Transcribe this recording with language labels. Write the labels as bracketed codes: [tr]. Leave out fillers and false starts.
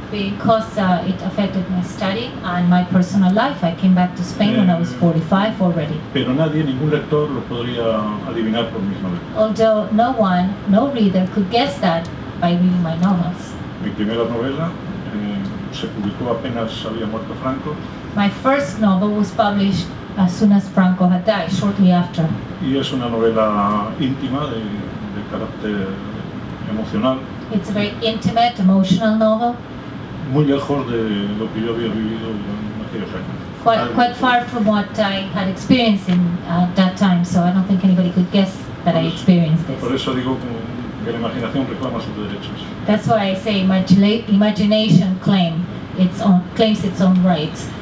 [en] Because it affected my study and my personal life. I came back to Spain when I was 45 already. [es] Pero nadie, ningún lector lo podría adivinar por mis novelas. [en] Although no one, no reader could guess that by reading my novels. [es] Mi primera novela se publicó apenas había muerto Franco. [en] My first novel was published as soon as Franco had died, shortly after. [es] Y es una novela íntima de carácter emocional. [en] It's a very intimate, emotional novel. [es] Muy lejos de lo que yo había vivido en aquellos años. [en] Quite far from what I had experienced in that time, so I don't think anybody could guess that I experienced this. [es] Por eso digo que la imaginación reclama sus derechos. [en] That's why I say imagination claims its own rights.